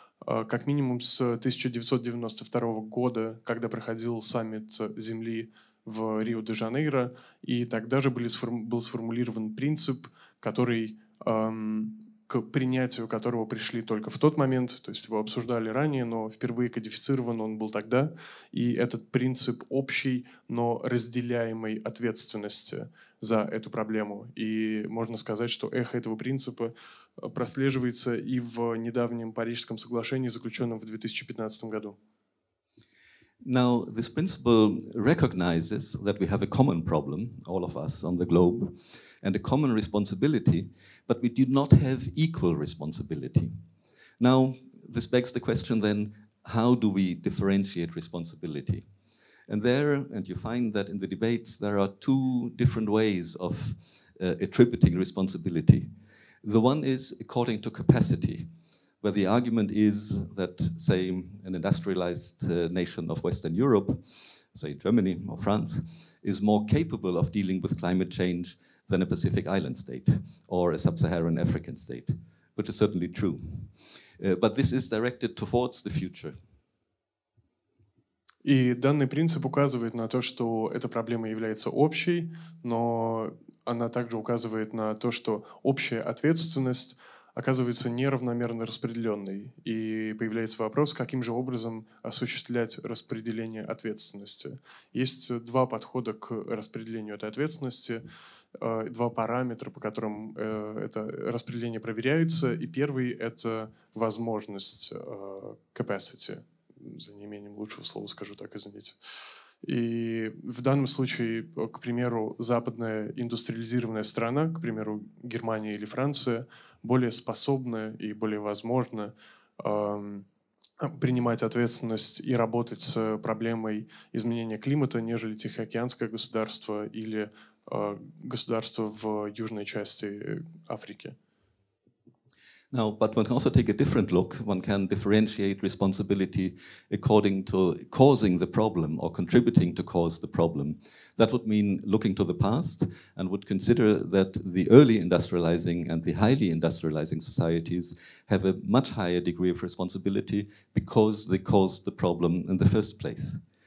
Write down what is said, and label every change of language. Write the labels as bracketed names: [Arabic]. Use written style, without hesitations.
[Russian] как минимум с 1992 года, когда проходил саммит Земли в Рио-де-Жанейро, и тогда же был сформулирован принцип, который, к принятию которого пришли только в тот момент, то есть его обсуждали ранее, но впервые кодифицирован он был тогда, и этот принцип общей, но разделяемой ответственности за эту проблему. И можно сказать, что эхо этого принципа прослеживается и в недавнем Парижском соглашении, заключенном в 2015 году. [English] Now, this principle recognizes that we have a common problem, all of us on the globe, and a common responsibility, but we do not have equal responsibility. Now, this begs the question then, how do we differentiate responsibility? And there, and you find that in the debates, there are two different ways of attributing responsibility. The one is according to capacity, where the argument is that, say, an industrialized nation of Western Europe, say Germany or France, is more capable of dealing with climate change than a Pacific island state or a sub-Saharan African state, which is certainly true. But this is directed towards the future. [Russian] И данный принцип указывает на то, что эта проблема является общей, но она также указывает на то, что общая ответственность оказывается неравномерно распределенной. И появляется вопрос, каким же образом осуществлять распределение ответственности. Есть два подхода к распределению этой ответственности, два параметра, по которым это распределение проверяется. И первый — это возможность, capacity. За неимением лучшего слова скажу так, извините. И в данном случае, к примеру, западная индустриализированная страна, к примеру, Германия или Франция, более способна и более возможна принимать ответственность и работать с проблемой изменения климата, нежели Тихоокеанское государство или государство в южной части Африки. [English] Now, but one can also take a different look. One can differentiate responsibility according to causing the problem or contributing to cause the problem. That would mean looking to the past and would consider that the early industrializing and the highly industrializing societies have a much higher degree of responsibility because they caused the problem in the first place.